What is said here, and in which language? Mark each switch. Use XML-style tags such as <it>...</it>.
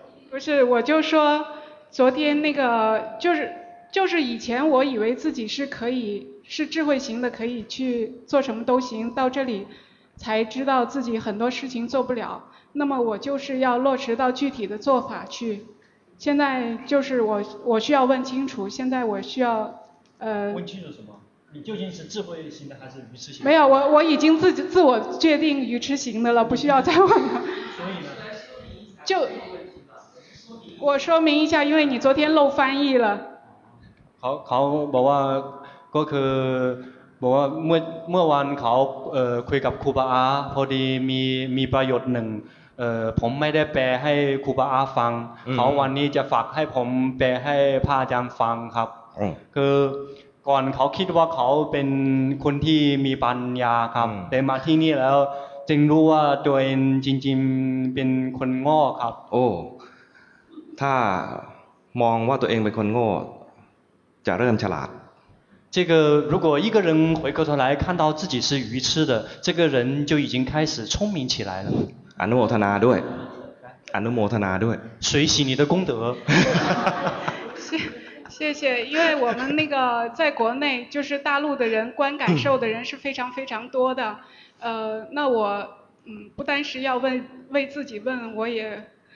<zh>不是我就说昨天那个就是以前我以为自己是可以是智慧型的可以去做什么都行到这里才知道自己很多事情做不了那么我就是要落实到具体的做法去现在就是我需要问清楚现在我需要问清楚什么你究竟是智慧型的还是愚痴型的没有 我已经自我确定愚痴型的了不需要再问了所以呢就我说明一下因为你昨天漏翻译了</zh> <th>เขาบอกว่าก็คือบอกว่าเมื่อวันเขาคุยกับครูบาอาพอดีมีประโยชน์หนึ่งผมไม่ได้แปลให้ครูบาอาฟังเขาวันนี้จะฝากให้ผมแปลให้พระอาจารย์ฟังครับคือก่อนเขาคิดว่าเขาเป็นคนที่มีปัญญาครับแต่มาที่นี่แล้วจึงรู้ว่าตัวเองจริงๆเป็นคนโง่ครับ โอ้ถ้ามองว่าตัวเองเป็นคนโง่จะเริ่มฉลาด</th> <zh>这个如果一个人回过头来看到自己是愚痴的这个人就已经开始聪明起来了</zh> <th>อนุโมทนาด้วยอนุโมทนาด้วย</th> <zh>随喜你的功德谢谢因为我们那个在国内就是大陆的人观感受的人是非常非常多的那我不单是要问为自己问我也</zh>